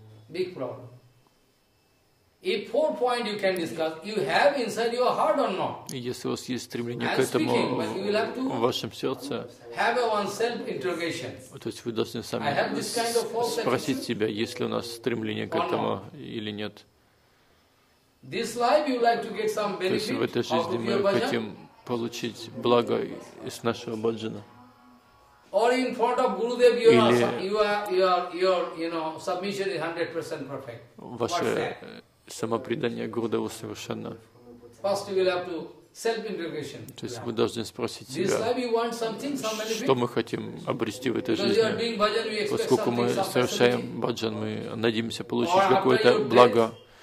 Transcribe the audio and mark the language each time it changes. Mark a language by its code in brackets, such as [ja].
[ru] Если у вас есть стремление к этому в вашем сердце, то есть вы должны сами спросить себя, есть ли у нас стремление к этому или нет. То есть в этой жизни мы хотим получить благо из нашего баджана. [en] Or in front of Gurudev, you are, submission is 100% perfect. [ru] Ваше самопредание Гурудеву совершенно. [en] First, you will have to self-integration. [ru] То есть вы должны спросить себя, что мы хотим обрести в этой жизни. Поскольку мы совершаем баджан, мы надеемся получить какое-то благо.